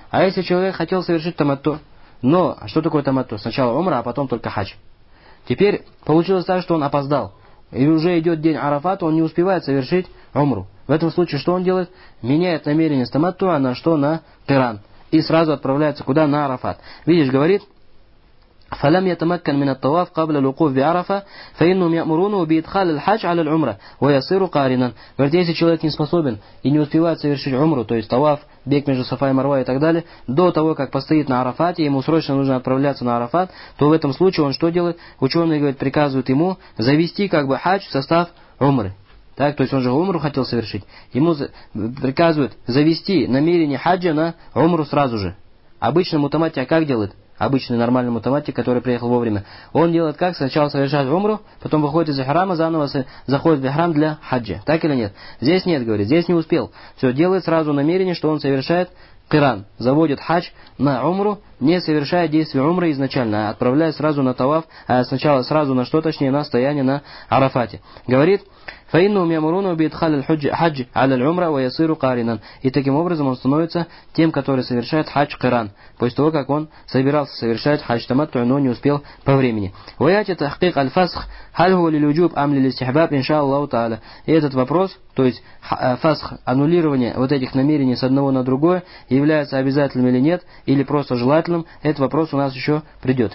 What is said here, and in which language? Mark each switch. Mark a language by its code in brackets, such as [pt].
[ru] А если человек хотел совершить таматту, но что такое таматту? Сначала умра, а потом только хадж. Теперь получилось так, что он опоздал. И уже идет день Арафата, он не успевает совершить умру. В этом случае что он делает? Меняет намерение с таматту, а на что? На Киран. И сразу отправляется куда? На Арафат. Видишь, говорит... [ar] فلم يتمكن من الطواف قبل الوقوف بعرفة فإنهم يأمرونه بإدخال الحج على العمرة ويصير قارنا. [ru] Говорит, если человек не способен и не успевает совершить умру, то есть таваф, бег между Сафа и Марва и так далее, до того, как постоит на Арафате, ему срочно нужно отправляться на Арафат, то в этом случае он что делает? Ученые, говорит, приказывают ему завести как бы хадж в состав умры. Так, то есть он же умру хотел совершить. Ему приказывают завести намерение хаджа на умру сразу же. Обычно мутаматия как делает? Обычный нормальный мутаматик, который приехал вовремя. Он делает как? Сначала совершает умру, потом выходит из храма, заново заходит в храм для хаджа. Так или нет? Здесь нет, говорит, здесь не успел. Все, делает сразу намерение, что он совершает Киран. Заводит хадж на умру, не совершая действия умры изначально, а отправляет сразу на таваф, а сначала сразу на что, точнее, на стояние на Арафате. Говорит, [ar] فَإِنُّهُمْ يَمُرُونَ بِيَدْخَلِ الْحَجِّ عَلَى الْعُمْرَ وَيَصِيرُ قَارِنًا. [ru] И таким образом он становится тем, который совершает хадж Киран, после того, как он собирался совершать хадж таматту, но не успел по времени. [ar] وَيَأْتِي تَحْقِيقَ الْفَسْخِ هَلْ هُوَ لِلْوُجُوبِ أَمْ لِلْإِسْتِحْبَابِ إِنْ شَاءَ اللَّهُ تَعَالَى. [ru] И этот вопрос, то есть фасх, аннулирование вот этих намерений с одного на другое, является обязательным или нет, или просто желательным, этот вопрос у нас еще придет.